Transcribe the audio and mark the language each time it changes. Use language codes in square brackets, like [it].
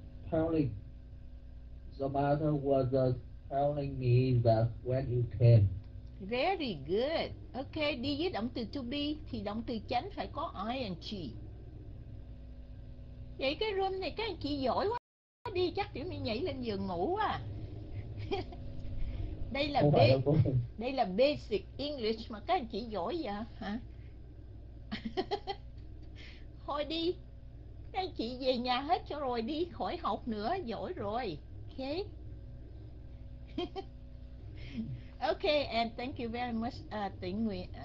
[en] The mother was telling me that when you came. Very good. [vi] Okay, đi với động từ to be thì động từ chánh phải có ing. Vậy cái room này các anh chị giỏi quá. Đi chắc tiểu mi nhảy lên giường ngủ quá. Đây là đây là basic English mà các anh chị giỏi vậy hả? Thôi đi. Các chị về nhà hết cho rồi, đi khỏi học nữa, giỏi rồi. [en] Okay. Okay, and thank you very much, Thịnh Nguyễn.